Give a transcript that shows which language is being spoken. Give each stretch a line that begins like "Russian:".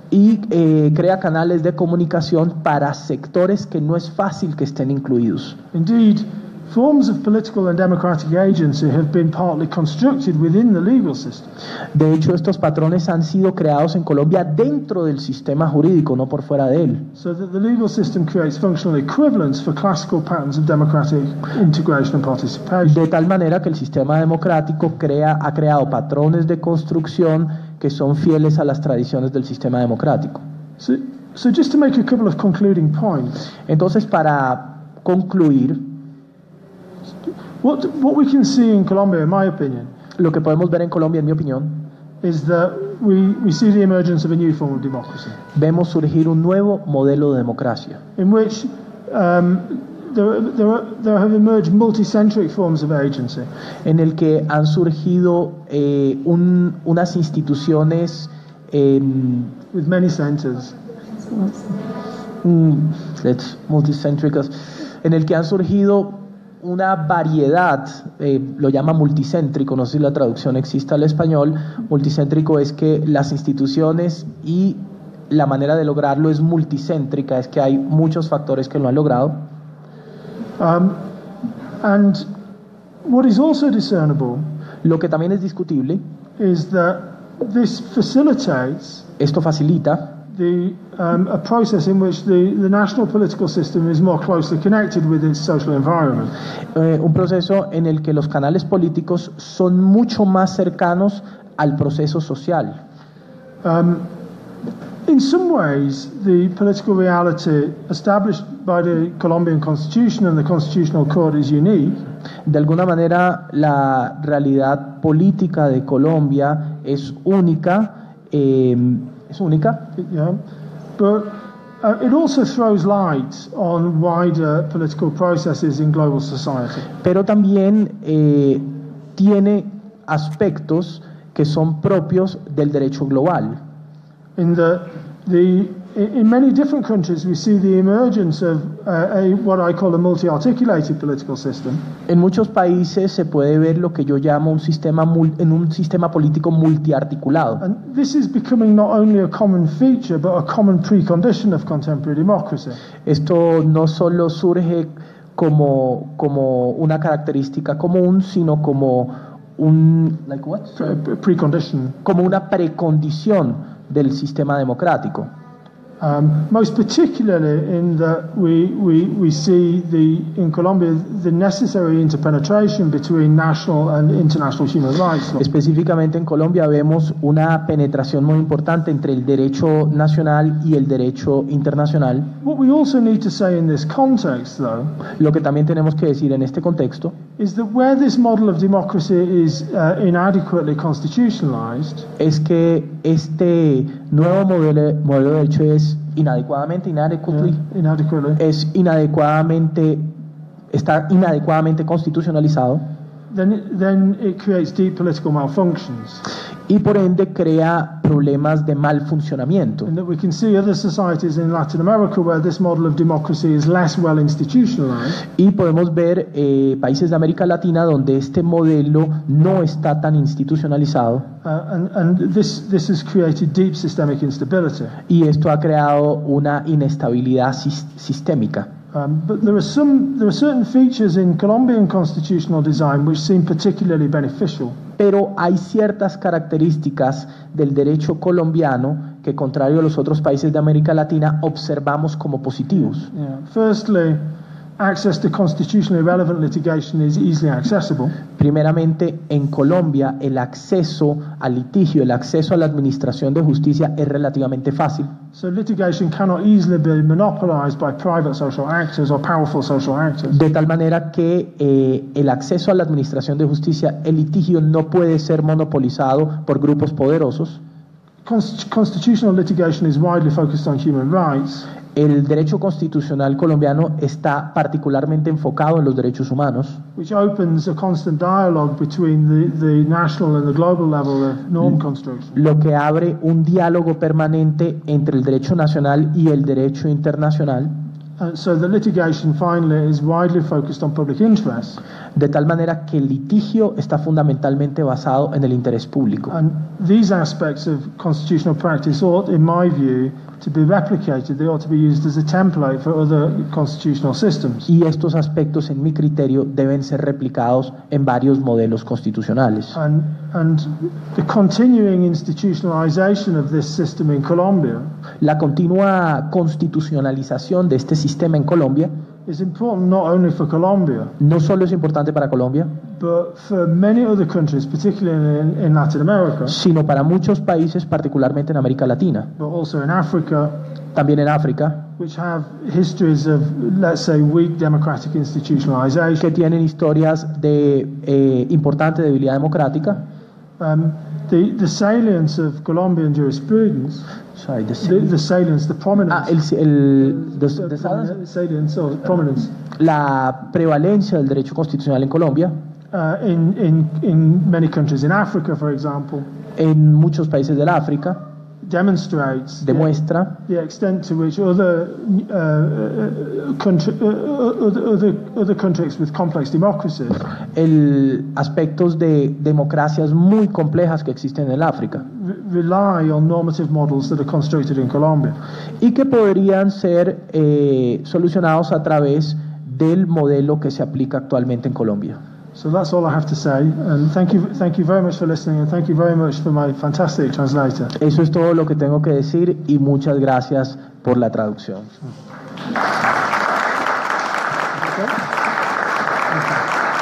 Spanish: Y crea canales de comunicación para sectores que no es fácil que estén incluidos.
English: Indeed, forms of political and democratic agency have been partly constructed within the legal system.
Spanish: De hecho, estos patrones han sido creados en Colombia dentro del sistema jurídico, no por fuera de él.
English: So that the legal system creates functional equivalents for classical patterns of democratic integration and participation.
Spanish: De tal manera que el sistema democrático ha creado patrones de construcción que son fieles a las tradiciones del sistema democrático.
English: So just to make a couple of concluding points.
Spanish: Entonces, para concluir,
English: what we can see in Colombia, in my opinion,
Spanish: lo que podemos ver en Colombia, en mi opinión,
English: is that we see the emergence of a new form of democracy.
Spanish: Vemos surgir un nuevo modelo de democracia.
English: In which there have emerged multicentric forms of agency.
Spanish: En el que han surgido unas instituciones
English: with many centers. That's multicentric.
Spanish: En el que han surgido una variedad, lo llama multicéntrico, no sé si la traducción exista al español. Multicéntrico es que las instituciones y la manera de lograrlo es multicéntrica, es que hay muchos factores que lo han logrado.
English: And what is also discernible,
Spanish: lo que también es discutible,
English: is that this facilitates,
Spanish: esto facilita,
English: the a process in which the national political system is more closely connected with its social environment.
Spanish: Un proceso en el que los canales políticos son mucho más cercanos al proceso social.
English: In some ways, the political reality established by the Colombian Constitution and the Constitutional Court is unique.
Spanish: De alguna manera, la realidad política de Colombia es única. Es única.
English: Yeah. But it also throws light on wider political processes in global society.
Spanish: Pero también tiene aspectos que son propios del derecho global.
English: In in many different countries we see the emergence of what I call a multi-articulated political system.
Spanish: En muchos países se puede ver lo que yo llamo un sistema político multiarticulado.
English: And this is becoming not only a common feature but a common precondition of contemporary democracy.
Spanish: Esto no solo surge como una característica común, sino como un
English: like what? Precondition.
Spanish: Como una precondición del sistema democrático.
English: Most particularly in that we see in Colombia the necessary interpenetration between national and international human rights law.
Spanish: Específicamente en Colombia vemos una penetración muy importante entre el derecho nacional y el derecho internacional.
English: What we also need to say in this context, though,
Spanish: lo que también tenemos que decir en este contexto,
English: is that where this model of democracy is inadequately constitutionalized,
Spanish: es que este nuevo modelo de derecho es inadecuadamente, es inadecuadamente, está inadecuadamente constitucionalizado,
English: then it creates deep political malfunctions.
Spanish: Y por ende crea problemas de mal funcionamiento.
English: And that we can see other societies in Latin America where this model of democracy is less well institutionalized.
Spanish: Y podemos ver países de América Latina donde este modelo no está tan institucionalizado.
English: And this has created deep systemic instability.
Spanish: Y esto ha creado una inestabilidad sistémica.
English: But there are certain features in Colombian constitutional design which seem particularly beneficial.
Spanish: Pero hay ciertas características del derecho colombiano que, contrario a los otros países de América Latina, observamos como positivos.
English: Yeah. Firstly, access to constitutionally relevant litigation is easily accessible.
Spanish: Primeramente, en Colombia, el acceso al litigio, el acceso a la administración de justicia es relativamente fácil.
English: So litigation cannot easily be monopolized by private social actors or powerful social actors.
Spanish: De tal manera que el acceso a la administración de justicia, el litigio no puede ser monopolizado por grupos poderosos.
English: Constitutional litigation is widely focused on human rights.
Spanish: El derecho constitucional colombiano está particularmente enfocado en los derechos humanos,
English: which opens a constant dialogue between the national and the global level of norm construction.
Spanish: Lo que abre un diálogo permanente entre el derecho nacional y el derecho internacional.
English: So the litigation finally is widely focused on public interest.
Spanish: De tal manera que el litigio está fundamentalmente basado en el interés público.
English: And these aspects of constitutional practice ought, in my view, to be replicated. They ought to be used as a template for other constitutional systems.
Spanish: Y estos aspectos, en mi criterio, deben ser replicados en varios modelos constitucionales.
English: And the continuing institutionalization of this system in Colombia,
Spanish: la continua constitucionalización de este sistema en Colombia,
English: is important not only for Colombia,
Spanish: no solo es importante para Colombia,
English: but for many other countries, particularly in Latin America,
Spanish: sino para muchos países, particularmente en América Latina,
English: but also in Africa,
Spanish: también en África,
English: which have histories of, let's say, weak democratic institutionalization,
Spanish: que tienen historias de importante debilidad democrática.
English: The salience of Colombian jurisprudence. Sorry, the prominence. The salience or prominence.
Spanish: La prevalencia del derecho constitucional en Colombia.
English: In many countries in Africa, for example.
Spanish: En muchos países del África.
English: Demonstrates.
Spanish: Demuestra.
English: The extent to which other countries with complex democracies.
Spanish: El aspectos de democracias muy complejas que existen en el África.
English: Rely on normative models that are constructed in Colombia.
Spanish: Y que podrían ser solucionados a través del modelo que se aplica actualmente en Colombia.
English: So that's all I have to say, and thank you very much for listening, and thank you very much for my fantastic translator.
Spanish: Eso es todo lo que tengo que decir, y muchas gracias por la traducción. Okay. Okay.